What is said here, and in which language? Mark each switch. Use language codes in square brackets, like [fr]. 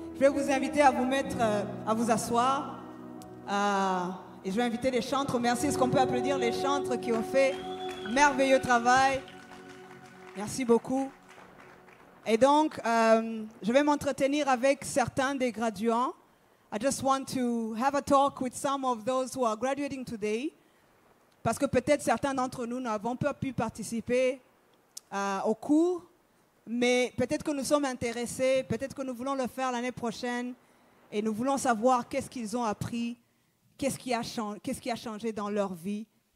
[fr] Je vais vous inviter à vous mettre, à vous asseoir. Et je vais inviter les chantres. Merci. Est-ce qu'on peut applaudir les chantres qui ont fait merveilleux travail? Merci beaucoup. Et donc, je vais m'entretenir avec certains des graduants. [en] I just want to have a talk with some of those who are graduating today. [fr] Parce que peut-être certains d'entre nous n'avons pas pu participer au cours, mais peut-être que nous sommes intéressés, peut-être que nous voulons le faire l'année prochaine et nous voulons savoir qu'est-ce qu'ils ont appris, qu'est-ce qui a changé dans leur vie.